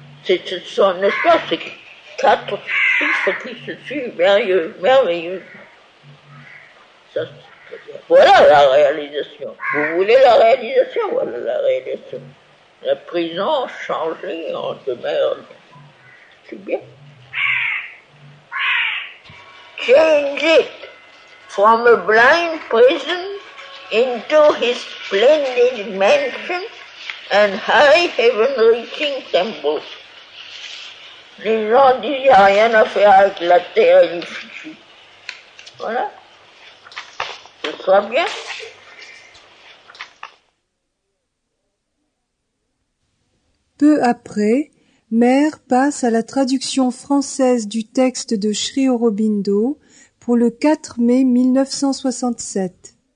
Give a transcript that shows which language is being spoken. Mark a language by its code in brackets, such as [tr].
[fr] C'est son espace, c'est 4 chiffres qui se suivent merveilleusement. Ça, voilà la réalisation. Vous voulez la réalisation? Voilà la réalisation. La prison changée en demeure. C'est bien. [en] Change it from a blind prison into his splendid mansion and high heaven-reaching temple. [fr] Les gens disent, il n'y a rien à faire avec la terre et le futur. Voilà. Ce sera bien. Peu après, Mère passe à la traduction française du texte de Sri Aurobindo pour le 4 mai 1967.